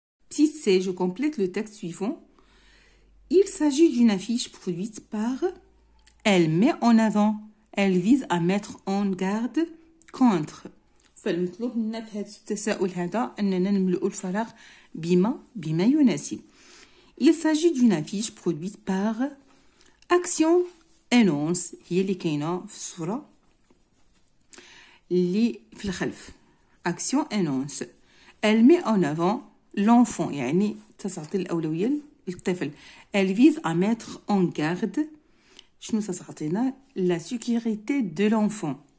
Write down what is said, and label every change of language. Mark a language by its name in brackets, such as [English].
[French] Si c'est, je complète le texte suivant. Il s'agit d'une affiche produite par. Elle met en avant. Elle vise à mettre en garde contre. [Arabic] فالمطلوب منا في هذا التساؤل هذا أننا نملؤ الفراغ بما يناسب. [French] Il s'agit d'une affiche produite par Action Annonce. [Arabic] هي اللي كاينه في الصورة اللي في الخلف. [French] Action Annonce. Elle met en avant l'enfant. [Arabic] يعني تعطي الأولوية للطفل. [French] Elle vise à mettre en garde. [Arabic] شنو تعطينا؟ [French] La sécurité de l'enfant.